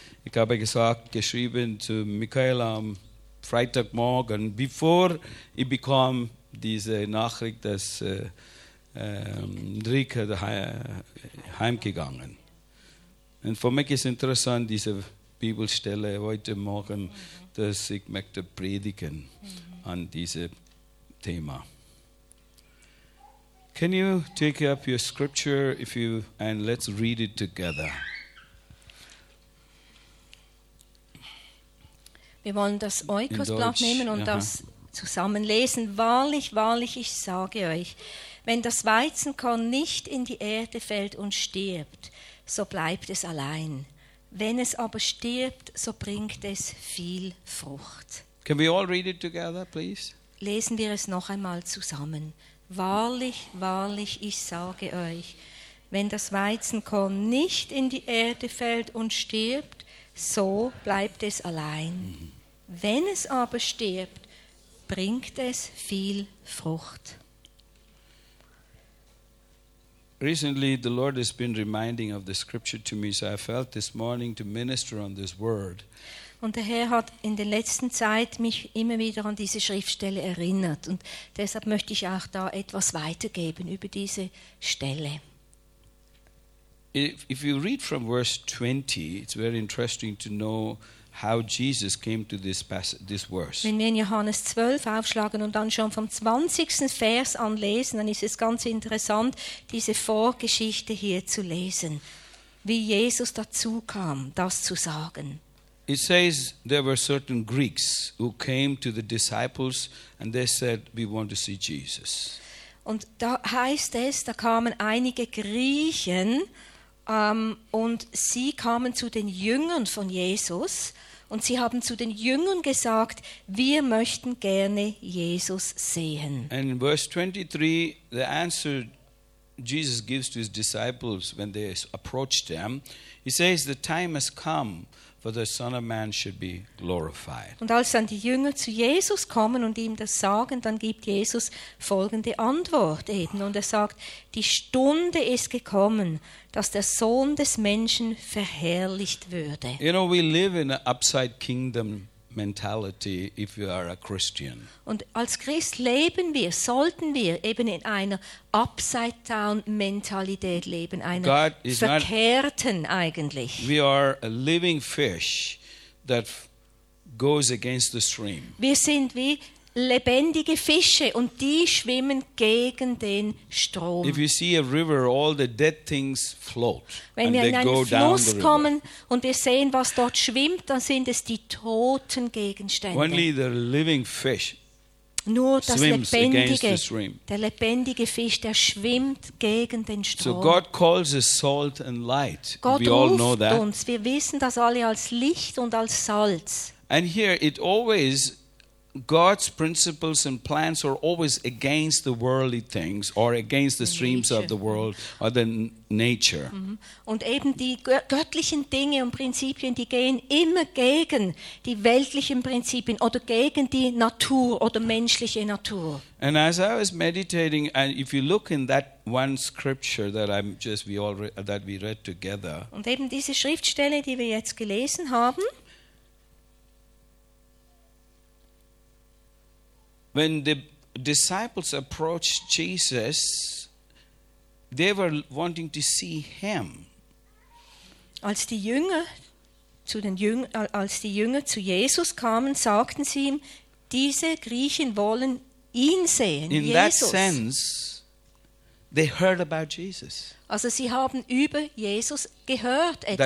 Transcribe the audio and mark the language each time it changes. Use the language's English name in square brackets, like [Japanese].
[German] Ich habe gesagt, geschrieben zu Michael am Freitagmorgen, bevor ich bekam diese Nachricht, dass Rieke heimgegangen. Und für mich ist interessant, diese Bibelstelle heute Morgen, dass ich möchte predigen an diesem Thema. [English] Can you take up your scripture if you and let's read it together? [German] Wir wollen das Oikosblatt nehmen und das zusammenlesen. Wahrlich, wahrlich, ich sage euch, wenn das Weizenkorn nicht in die Erde fällt und stirbt, so bleibt es allein. Wenn es aber stirbt, so bringt es viel Frucht. [English] Can we all read it together, please? [German] Lesen wir es noch einmal zusammen. Wahrlich, wahrlich, ich sage euch, wenn das Weizenkorn nicht in die Erde fällt und stirbt, so bleibt es allein. Wenn es aber stirbt, bringt es viel Frucht. [English] Recently, the Lord has been reminding of the scripture to me, so I felt this morning to minister on this word. [German] Und der Herr hat in der letzten Zeit mich immer wieder an diese Schriftstelle erinnert. Und deshalb möchte ich auch da etwas weitergeben über diese Stelle. [English] If you read from verse 20, it's very interesting to know how Jesus came to this verse. [German] Wenn wir in Johannes 12 aufschlagen und dann schon vom 20. Vers an lesen, dann ist es ganz interessant, diese Vorgeschichte hier zu lesen, wie Jesus dazu kam, das zu sagen. [English] It says there were certain Greeks who came to the disciples and they said, "We want to see Jesus." [German] Und da heißt es, da kamen einige Griechen. Und sie kamen zu den Jüngern von Jesus und sie haben zu den Jüngern gesagt, wir möchten gerne Jesus sehen. [English] In verse 23, the answer Jesus gives to his disciples when they approach them, he says, the time has come for the Son of Man should be glorified. [German] Und als dann die Jünger zu Jesus kommen und ihm das sagen, dann gibt Jesus folgende Antwort eben. Und er sagt, die Stunde ist gekommen, dass der Sohn des Menschen verherrlicht würde. [English] You know, we live in an upside kingdom mentality if you are a Christian. [German] Und als Christ leben wir, sollten wir eben in einer [English] upside down [German] Mentalität leben, einer verkehrten eigentlich. [English] We are a living fish that goes against the stream. [German] Wir sind wie lebendige Fische und die schwimmen gegen den Strom. [English] If you see a river, all the dead things float. [German] Wenn wir in einen Fluss kommen und wir sehen, was dort schwimmt, dann sind es die toten Gegenstände. [English] Only the living fish. [German] Nur das lebendige, der lebendige Fisch, der schwimmt gegen den Strom. [English] So God calls us salt and light. [German] Gott [English] we [German] ruft [English] all know that. [German] Uns. Wir wissen das alle als Licht und als Salz. [English] And here it always God's principles and plans are always against the worldly things or against the streams of the world or the nature. [German] Und eben die göttlichen Dinge und Prinzipien, die gehen immer gegen die weltlichen Prinzipien oder gegen die Natur oder menschliche Natur. [English] And as I was meditating, and if you look in that one scripture that we read together. [German] Und eben diese Schriftstelle, die wir jetzt gelesen haben. [English] When the disciples approached Jesus, they were wanting to see him. [German] Als die Jünger zu Jesus kamen, sagten sie ihm, diese Griechen wollen ihn sehen, in Jesus. [English] In that sense, they heard about Jesus. [German] Also sie haben über Jesus gehört etwas.